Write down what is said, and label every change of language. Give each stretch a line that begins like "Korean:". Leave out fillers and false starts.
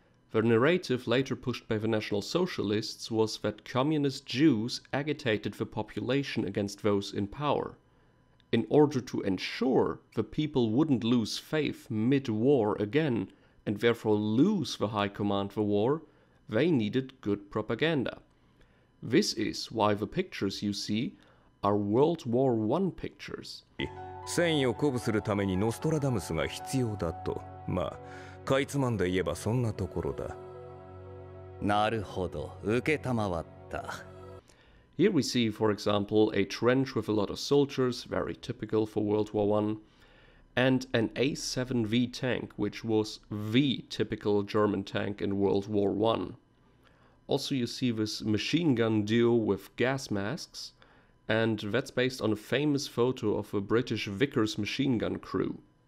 English: The narrative later pushed by the National Socialists was that communist Jews agitated the population against those in power, in order to ensure the people wouldn't lose faith mid-war again and therefore lose the high command for war, they needed good propaganda. This is why the pictures you see are World War I pictures.
Japanese: 戦意をこぶするためにノストラダムスが必要だと、まあ、かいつまんで言えばそんなところだ。なるほど、受けたまわった。
English: Here we see, for example, a trench with a lot of soldiers, very typical for World War I, and an A7V tank, which was the typical German tank in World War I. Also, you see this machine gun duo with gas masks, and that's based on a famous photo of a British Vickers machine gun crew.